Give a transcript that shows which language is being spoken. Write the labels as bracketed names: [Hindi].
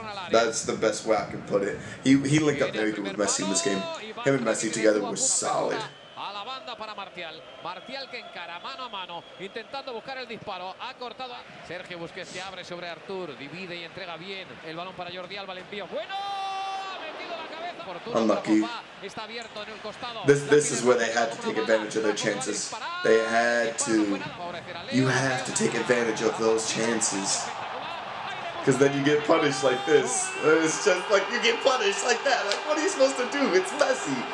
[English] That's the best way I can put it. He linked up very good with Messi in this game. Him and Messi together were solid. [Spanish] Para Martial. Martial que encara mano a mano, intentando buscar el disparo, ha cortado. Sergio Busquets se abre sobre Artur, divide y entrega bien el balón para Jordi Alba, le envío. Bueno, ha metido la cabeza. Unlucky. Está abierto en el costado. [English] This is where they had to take advantage of their chances. They had to. You have to take advantage of those chances. Because then you get punished like this. It's just like you get punished like that. Like, what are you supposed to do? It's Messi.